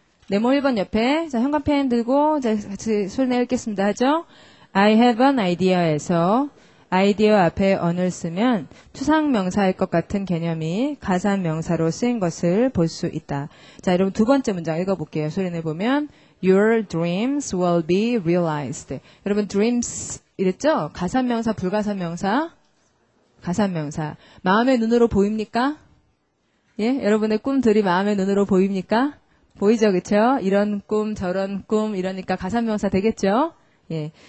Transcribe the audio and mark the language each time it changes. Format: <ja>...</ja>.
<ko>네모 1번 옆에, 자, 형광펜 들고 자, 같이 소리 내 읽겠습니다. 하죠?</ko> <en>I have an idea</en> <ko>에서 idea 앞에 언을 쓰면 추상명사일 것 같은 개념이 가산명사로 쓰인 것을 볼 수 있다. 자, 여러분 두 번째 문장 읽어볼게요. 소리 내보면</ko> <en>Your dreams will be realized.</en> <ko>여러분 dreams 이랬죠? 가산명사, 불가산명사? 가산명사. 마음의 눈으로 보입니까? 예, 여러분의 꿈들이 마음의 눈으로 보입니까? 보이죠, 그쵸? 이런 꿈, 저런 꿈 이러니까 가산명사 되겠죠? 예.</ko>